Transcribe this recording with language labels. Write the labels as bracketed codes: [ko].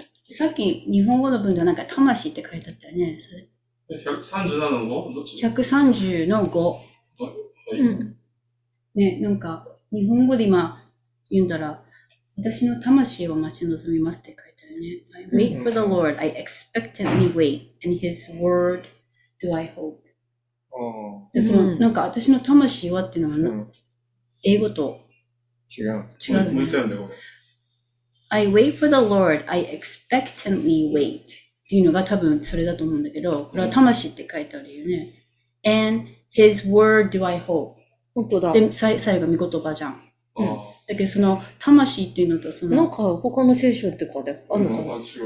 [ja] さっき日本語の文ではなんか魂って書いてあったよね。 137 の 5? どっち？ 130 の5。はい。うん。ね、なんか日本語で今言うんだら、私の魂を待ち望みますって書いてあるよね。 [en] I wait for the Lord, I expectantly wait, and his word do I hope. [ja] ああ。で、その、なんか私の魂はっていうのは、英語と違う。違う。向いてるんだよ。 [en] I wait for the Lord, I expectantly wait. [ja] っていうのが多分それだと思うんだけど、これは魂って書いてあるよね。 [en] And his word do I hope. [ja] 本当だ。で、最後が御言葉じゃん。だけどその魂っていうのとその。なんか他の聖書とかであるのかな。